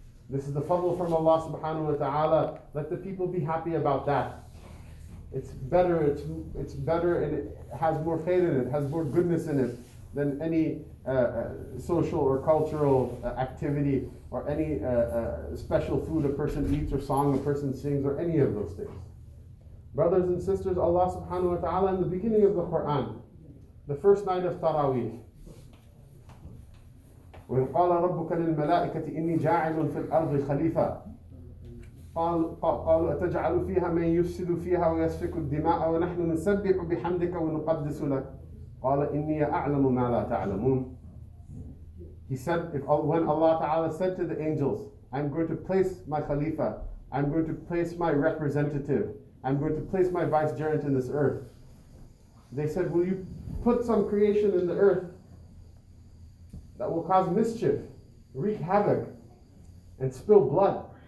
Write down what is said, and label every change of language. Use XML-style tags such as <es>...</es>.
<en>This is the fadl from Allah subhanahu wa ta'ala. Let the people be happy about that. It's better and it has more khair in it, has more goodness in it than any social or cultural activity or any special food a person eats or song a person sings or any of those things. Brothers and sisters, Allah subhanahu wa ta'ala, in the beginning of the Quran, the first night of Taraweeh, when</en> <ar>قال ربك للملائكة إني جاعل في الأرض خليفة قال أتجعل فيها من يفسد فيها ويسفك الدماء ونحن نسبح بحمدك ونقدس لك قال إني أعلم ما لا تعلمون.</ar> <en>He said, when Allah Ta'ala said to the angels, I'm going to place my Khalifa, I'm going to place my representative, I'm going to place my vicegerent in this earth, they said, will you put some creation in the earth that will cause mischief, wreak havoc, and spill blood?</en>